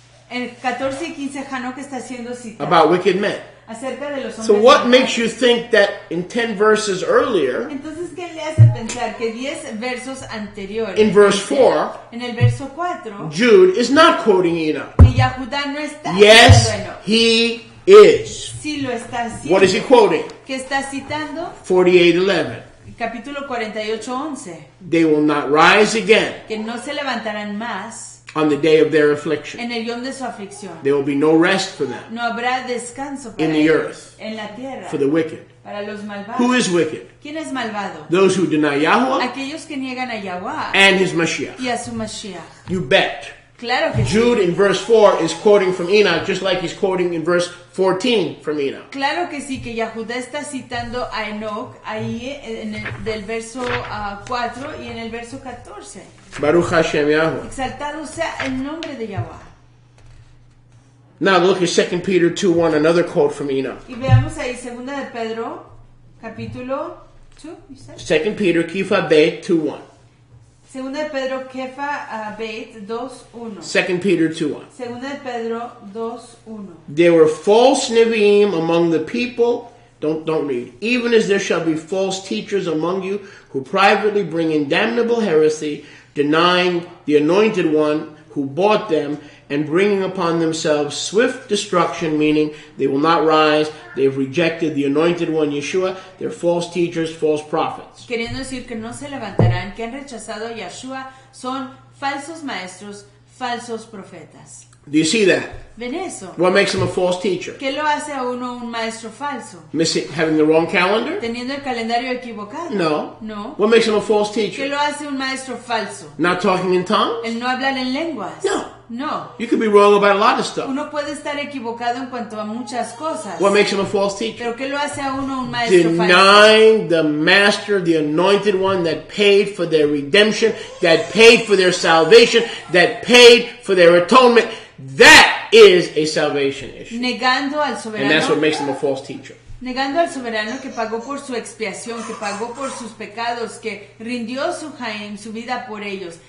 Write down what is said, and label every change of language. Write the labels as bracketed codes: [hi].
[es] En 14 y 15, Hanok está siendo citado. [en] About wicked men. [es] Acerca de los hombres. [en] So what makes you think that in 10 verses earlier? [es] Entonces, ¿qué le hace pensar que 10 versos anteriores? [en] In verse 4. [es] En el verso 4. [en] Jude is not quoting Enoch. [es] Y Yehudá no está. [en] Yes, he is. [es] Sí lo está haciendo. [en] What is he quoting? [es] ¿Qué está citando? [en] 48:11. [es] Capítulo 48:11. [en] They will not rise again. [es] Que no se levantarán más. [en] On the day of their affliction. [es] En el día de su aflicción. [en] There will be no rest for them. [es] No habrá descanso para [en] in the [es] ellos, [en] earth. [es] En la tierra. [en] For the wicked. [es] Para los malvados. [en] Who is wicked? [es] ¿Quién es malvado? [en] Those who deny Yahweh. [es] Aquellos que niegan a Yahweh. [en] And his Mashiach. [es] Y a su Mashiach. [en] You bet. [es] Claro que [en] Jude [es] sí. [en] In verse 4 is quoting from Enoch just like he's quoting in verse 14 from Enoch. [es] Claro que sí, que Yehudá está citando a Enoch ahí en el, del verso 4 y en el verso 14. [he] Baruch Hashem Yahweh. [es] Exaltado sea el nombre de Yahweh. [en] Now look at 2 Peter 2:1, another quote from Enoch. [es] Y veamos ahí, 2 de Pedro, capítulo 2, [en] 2 Peter, Kifa Bet 2:1. [es] 2 Pedro, Kefa, Beit, 2:1. [en] 2 Peter 2:1. [es] 2 Pedro 2:1. [en] There were false Nevi'im among the people. Don't read. Even as there shall be false teachers among you who privately bring in damnable heresy, denying the anointed one who bought them and bringing upon themselves swift destruction, meaning they will not rise. They've rejected the anointed one, Yeshua. They're false teachers, false prophets. [es] Queriendo decir que no se levantarán, que han rechazado a Yeshua, son falsos maestros, falsos profetas. [en] Do you see that? [es] ¿Ven eso? [en] What makes them a false teacher? [es] ¿Qué lo hace a uno un maestro falso? [en] Missing, having the wrong calendar? [es] ¿Teniendo el calendario equivocado? [en] No. [es] No. [en] What makes them a false teacher? [es] ¿Qué lo hace un maestro falso? [en] Not talking in tongues? [es] ¿El no hablar en lenguas? [en] No. [es] No. [en] You could be wrong about a lot of stuff. [es] Uno puede estar equivocado en cuanto a muchas cosas. [en] What makes him a false teacher? [es] ¿Pero qué lo hace a uno un maestro [en] denying The master, the anointed one that paid for their redemption, that paid for their salvation, that paid for their atonement. That is a salvation issue. [es] Negando al soberano. [en] And that's what makes him a false teacher. [es] Negando al soberano que pagó por su expiación, que pagó por sus pecados, que rindió su jaim, su vida por ellos.